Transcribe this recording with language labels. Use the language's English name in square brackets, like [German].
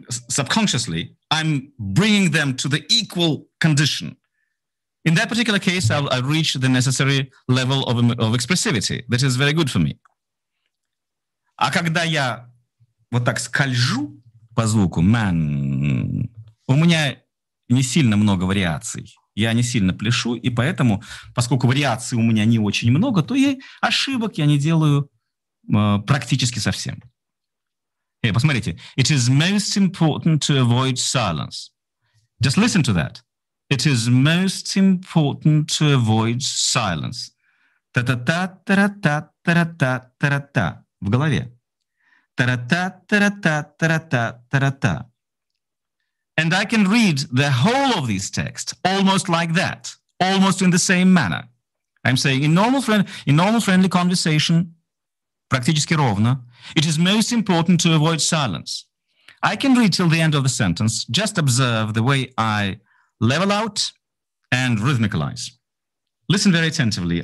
[English] Subconsciously, I'm bringing them to the equal condition. In that particular case, I'll reach the necessary level of expressivity. That is very good for me. [Russian] А когда я вот так скольжу по звуку man, у меня не сильно много вариаций. Я не сильно пляшу, и поэтому, поскольку вариаций у меня не очень много, то ошибок я не делаю практически совсем. Посмотрите. [English] It is most important to avoid silence. Just listen to that. It is most important to avoid silence. Та-та-та-та-та-та-та-та-та-та. [Russian] В голове. Та-та-та-та-та-та-та-та-та-та. [English] And I can read the whole of this text almost like that, almost in the same manner. I'm saying in normal friendly conversation, [Russian] практически ровно, [English] it is most important to avoid silence. I can read till the end of the sentence. Just observe the way I level out and rhythmicalize. Listen very attentively.